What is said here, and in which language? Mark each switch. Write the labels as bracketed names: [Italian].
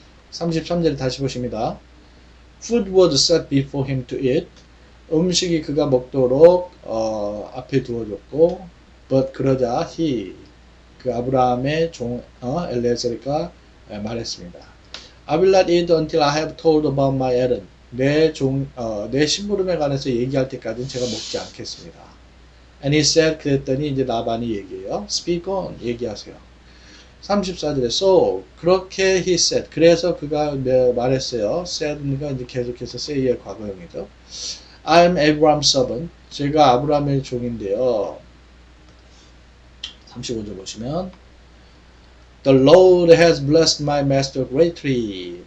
[Korean] 33절 다시 보십니다. [English] Food was set before him to eat. [Korean] 음식이 그가 먹도록 앞에 두어졌고 but 그러자 he 그 아브라함의 종 엘리에셀이가 말했습니다. [English] I will not eat until I have told about my errand. [Korean] 내 심부름에 관해서 얘기할 때까지는 제가 먹지 않겠습니다. [English] And he said, [Korean] 그랬더니 이제 라반이 얘기해요. [English] Speak on, [Korean] 얘기하세요. 34절에, So, 그렇게 [English] he said, [Korean] 그래서 그가 말했어요. said가 이제 계속해서 say의 과거형이죠. [English] I'm Abraham's servant. [Korean] 제가 아브라함의 종인데요. 35절 보시면, [English] The Lord has blessed my master greatly.